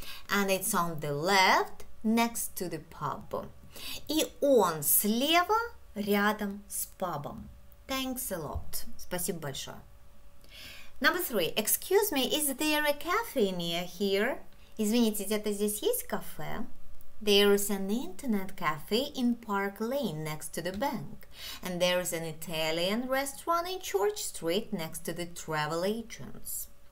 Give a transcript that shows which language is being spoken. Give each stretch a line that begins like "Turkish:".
English: And it's on the left, next to the pub.
Russian: И он слева, рядом с пабом.
English: Thanks a lot.
Russian: Спасибо большое.
English: Number 3. Excuse me, is there a cafe near here?
Russian: Извините, где-то здесь есть кафе?
English: There is an internet cafe in Park Lane next to the bank. And there is an Italian restaurant in Church Street next to the travel agents.